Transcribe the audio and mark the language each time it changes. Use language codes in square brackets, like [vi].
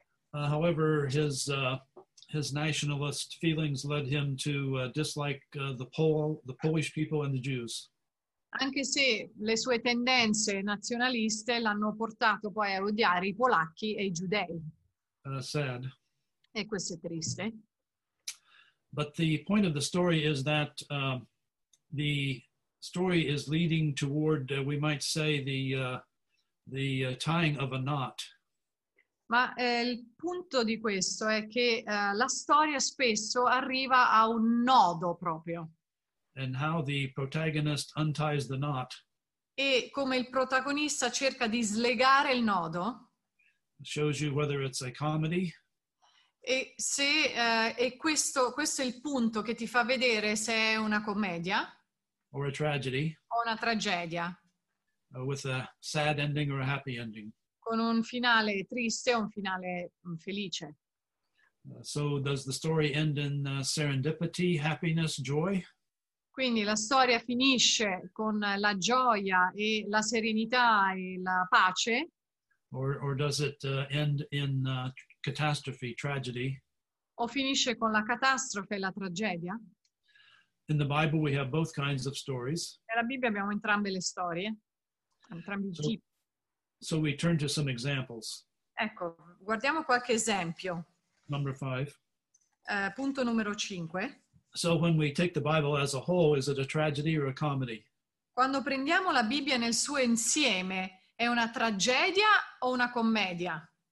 [en] However, his nationalist feelings led him to dislike the Polish people and the Jews. [it] Anche se le sue tendenze nazionaliste l'hanno portato poi a odiare i polacchi e i giudei. [en] Sad. [it] E questo è triste. [en] But the point of the story is that the story is leading toward, we might say, the tying of a knot. [it] Ma il punto di questo è che la storia spesso arriva a un nodo proprio. [en] And how the protagonist unties the knot. [it] E come il protagonista cerca di slegare il nodo. [en] Shows you whether it's a comedy. [it] E se e questo è il punto che ti fa vedere se è una commedia. [en] Or a tragedy. [it] O una tragedia. [en] With a sad ending or a happy ending. [it] Con un finale triste o un finale felice. [en] So does the story end in serendipity, happiness, joy? [it] Quindi la storia finisce con la gioia e la serenità e la pace? [en] Or does it end in catastrophe, tragedy? [it] O finisce con la catastrofe e la tragedia? [en] In the Bible we have both kinds of stories. [it] Nella Bibbia abbiamo entrambe le storie, entrambi i tipi. [en] So we turn to some examples. [it] Ecco, guardiamo qualche esempio. [en] Number 5. [it] punto numero 5. [en] So when we take the Bible as a whole, is it a tragedy or a comedy? [it] Quando prendiamo la Bibbia nel suo insieme, è una tragedia o una commedia?